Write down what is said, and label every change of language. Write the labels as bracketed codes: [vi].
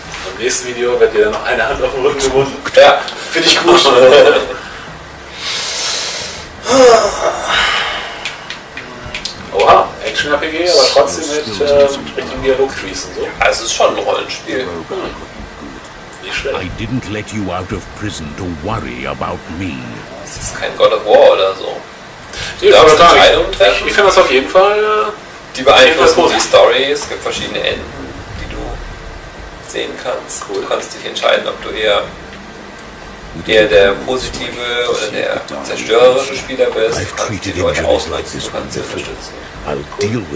[de] Im nächsten Video wird dir noch eine Hand auf den Rücken gebunden. Ja, finde ich gut. Oha, Action-RPG, aber trotzdem mit richtigen Dialog-Trees und so. Also es ist schon ein Rollenspiel. [en] I didn't let you out of prison to worry about me. [de] Es ist kein God of War oder so. Die ich finde das auf jeden Fall. Die beeinflussen die Story, es gibt verschiedene Enden, die du sehen kannst. Cool. Du kannst dich entscheiden, ob du eher der positive oder der zerstörerische Spieler bist, kannst die Leute ausnutzen, du kannst sie unterstützen.